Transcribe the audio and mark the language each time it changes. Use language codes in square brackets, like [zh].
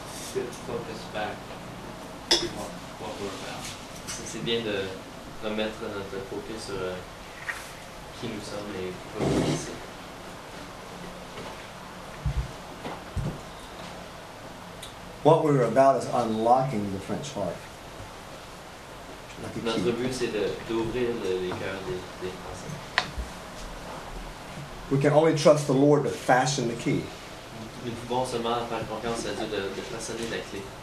[en] Focus back what we're about. [fr] C'est bien de remettre notre focus sur qui nous sommes et comment nous sommes. [en] What we're about is unlocking the French heart. [fr] Notre but, c'est d'ouvrir les cœurs des Français. [en] We can only trust the Lord to fashion the key. [fr] Nous pouvons seulement faire confiance à Dieu de façonner la clé.